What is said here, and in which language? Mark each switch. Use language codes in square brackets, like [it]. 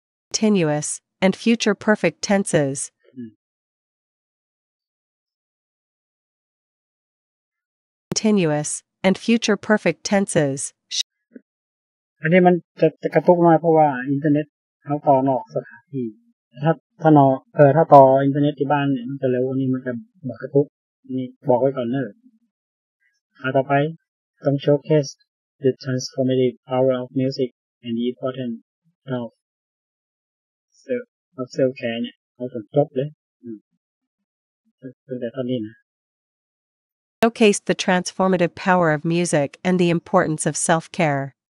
[en] Continuous and future perfect tenses. Continuous and future perfect tenses. [th] อันนี้มันจะกระตุกหน่อยเพราะว่าอินเทอร์เน็ตเขาต่อนอกสถานที่ถ้านอกถ้าต่ออินเทอร์เน็ตที่บ้านเนี่ยมันจะเร็วอันนี้มันจะบอกกระตุกนี่บอกไว้ก่อนเนอะ าต่อไปต้อง [en] showcase the transformative power of music and the important role of self care [th] เนี่ยเอาจนจบเลยตั้งแต่ตอนนี้นะ [en] showcase the transformative power of music and the importance of self care